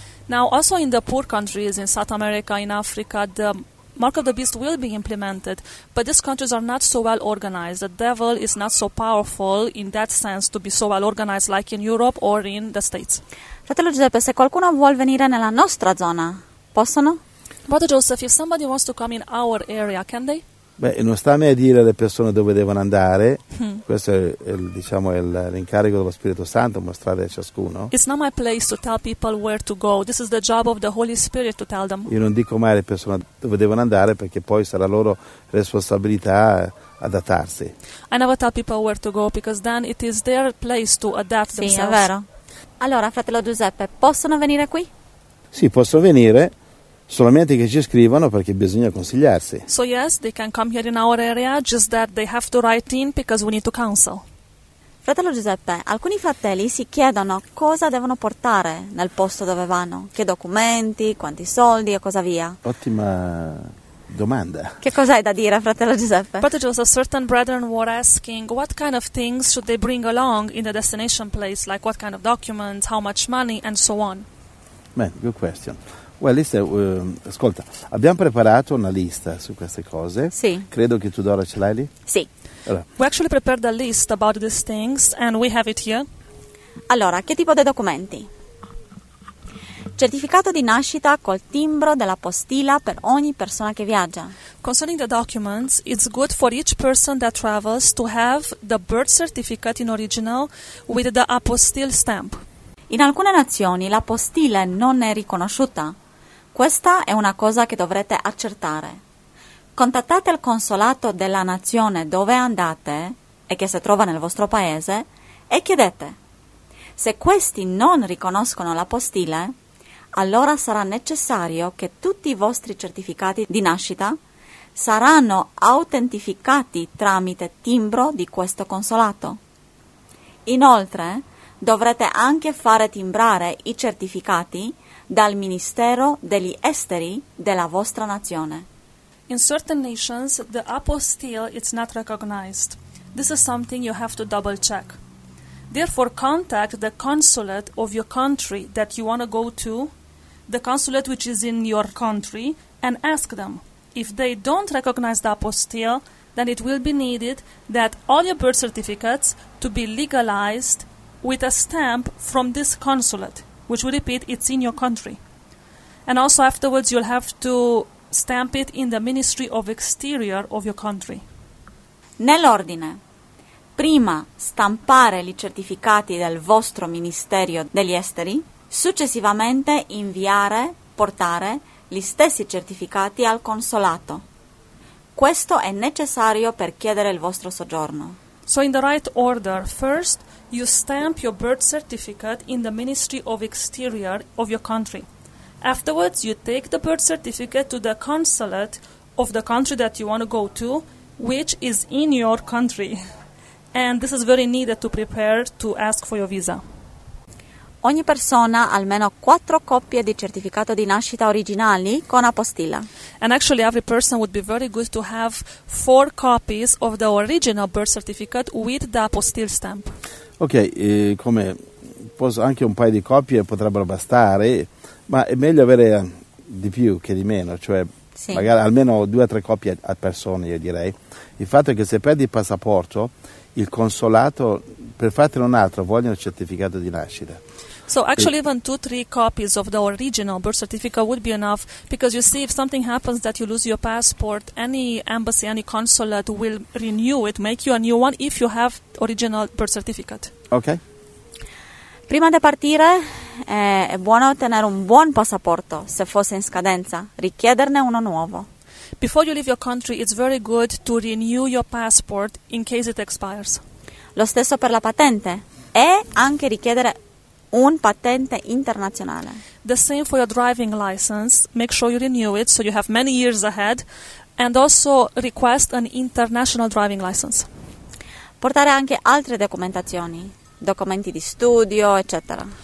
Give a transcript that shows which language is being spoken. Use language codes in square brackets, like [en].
[en] Now, also in the poor countries, in South America, in Africa, the Mark of the Beast will be implemented, but these countries are not so well organized. The devil is not so powerful in that sense to be so well organized like in Europe or in the States. [it] Fratello Giuseppe, se qualcuno vuol venire nella nostra zona, possono? [en] Brother Joseph, if somebody wants to come in our area, can they? [it] Beh, non sta a me a dire alle persone dove devono andare. Questo è l'incarico dello Spirito Santo, mostrare a ciascuno. [en] It's not my place to tell people where to go. This is the job of the Holy Spirit to tell them. [it] Io non dico mai alle persone dove devono andare, perché poi sarà loro responsabilità adattarsi. [en] I never tell people where to go because then it is their place to adapt themselves. [it] Sì, è vero. Allora, fratello Giuseppe, possono venire qui? Sì, possono venire. Solamente che ci scrivano, perché bisogna consigliarsi. [en] So yes, they can come here in our area, just that they have to write in because we need to counsel. [it] Fratello Giuseppe, alcuni fratelli si chiedono cosa devono portare nel posto dove vanno. Che documenti, quanti soldi e cosa via. Ottima domanda. Che cosa hai da dire, fratello Giuseppe? [en] Brother Joseph, certain brethren were asking what kind of things should they bring along in the destination place, like what kind of documents, how much money and so on. Beh, good question. Well, listen, [it] ascolta, abbiamo preparato una lista su queste cose. Sì. Credo che tu, Dora, ce l'hai lì? Sì. Allora. [en] We actually prepared a list about these things and we have it here. [it] Allora, che tipo di documenti? Certificato di nascita col timbro della postilla per ogni persona che viaggia. [en] Concerning the documents, it's good for each person that travels to have the birth certificate in original with the apostille stamp. [it] In alcune nazioni la postilla non è riconosciuta. Questa è una cosa che dovrete accertare. Contattate il consolato della nazione dove andate e che si trova nel vostro paese e chiedete. Se questi non riconoscono la postilla, allora sarà necessario che tutti i vostri certificati di nascita saranno autentificati tramite timbro di questo consolato. Inoltre, dovrete anche fare timbrare i certificati dal Ministero degli Esteri della vostra nazione. [en] In certain nations, the apostille is not recognized. This is something you have to double check. Therefore, contact the consulate of your country that you want to go to, the consulate which is in your country, and ask them. If they don't recognize the apostille, then it will be needed that all your birth certificates to be legalized with a stamp from this consulate, which will repeat, it's in your country. And also afterwards you'll have to stamp it in the Ministry of Exterior of your country. [it] Nell'ordine, prima stampare i certificati del vostro Ministero degli Esteri, successivamente inviare, portare, gli stessi certificati al consolato. Questo è necessario per chiedere il vostro soggiorno. [en] So in the right order, first you stamp your birth certificate in the Ministry of Exterior of your country. Afterwards, you take the birth certificate to the consulate of the country that you want to go to, which is in your country. And this is very needed to prepare to ask for your visa. [it] Ogni persona ha almeno 4 copie di certificato di nascita originali con apostilla. [en] And actually every person would be very good to have 4 copies of the original birth certificate with the apostille stamp. [it] Ok, come posso anche un paio di copie potrebbero bastare, ma è meglio avere di più che di meno, cioè sì, magari almeno 2 o 3 copie a persona, io direi. Il fatto è che se perdi il passaporto, il consolato, per fartene un altro, vogliono il certificato di nascita. [en] So actually even 2 or 3 copies of the original birth certificate would be enough, because you see, if something happens that you lose your passport, any embassy, any consulate will renew it, make you a new one if you have original birth certificate. Okay. [it] Prima di partire, è buono ottenere un buon passaporto, se fosse in scadenza, richiederne uno nuovo. [en] Before you leave your country, it's very good to renew your passport in case it expires. [it] Lo stesso per la patente, e anche richiedere un patente internazionale. [en] The same for your driving license, make sure you renew it so you have many years ahead, and also request an international driving license. [it] Portare anche altre documentazioni, documenti di studio, eccetera.